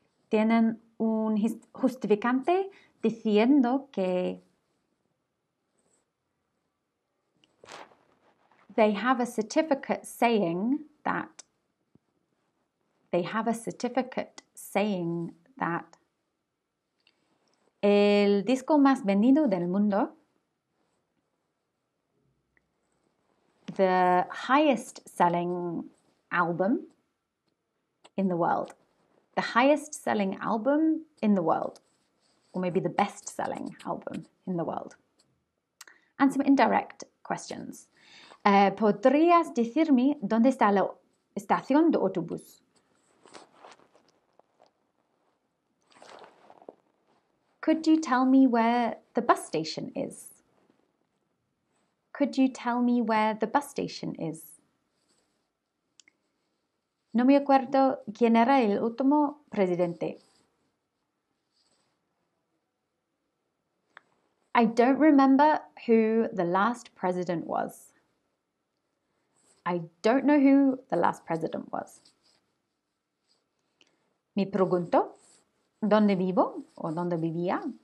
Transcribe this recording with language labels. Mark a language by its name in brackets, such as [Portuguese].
[Spanish] Tienen un justificante diciendo que [English] they have a certificate saying that they have a certificate saying that [Spanish] el disco más vendido del mundo, [English] the highest selling album in the world. The highest selling album in the world, or maybe the best selling album in the world. And some indirect questions. [Spanish] ¿Podrías decirme dónde está la estación de autobús? [English] Could you tell me where the bus station is? Could you tell me where the bus station is? [Spanish] No me acuerdo quién era el último presidente. [English] I don't remember who the last president was. I don't know who the last president was. [Spanish] Me pregunto, ¿dónde vivo o dónde vivía?